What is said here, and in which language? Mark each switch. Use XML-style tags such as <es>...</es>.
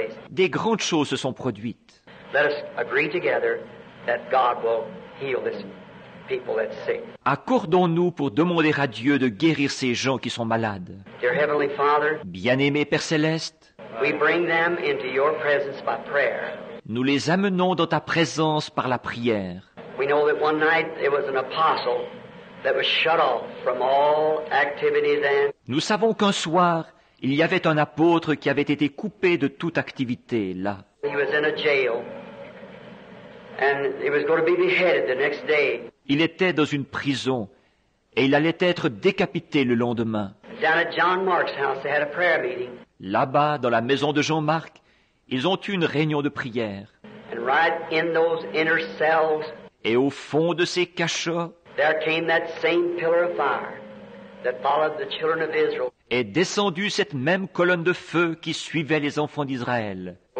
<fr>Des grandes choses se sont produites.</fr> <en>Let us agree together that God will heal this people that's sick.</en> <fr>Accordons-nous pour demander à Dieu de guérir ces gens qui sont malades.</fr> <en>Dear Heavenly Father,</en> <fr>bien-aimé Père Céleste,</fr> <en>we bring them into your presence by prayer.</en> <fr>Nous les amenons dans ta présence par la prière.</fr> <en>We know that one night it was an apostle that was shut off from all activity then.</en> <fr>Nous savons qu'un soir, il y avait un apôtre qui avait été coupé de toute activité là.</fr> <en>He was in a jail. And he was going to be beheaded the next day.</en> <fr>Il était dans une prison et il allait être décapité le lendemain.</fr> <en>Down at John Mark's house, they had a prayer meeting.</en> <fr>Là-bas, dans la maison de Jean-Marc, ils ont eu une réunion de prière.</fr> <en>And right in those inner cells,</en> <fr>et au fond de ces cachots,</fr> <en>there came that same pillar of fire that followed the children of Israel.</en> <fr>Est descendue cette même colonne de feu qui suivait les enfants d'Israël.</fr>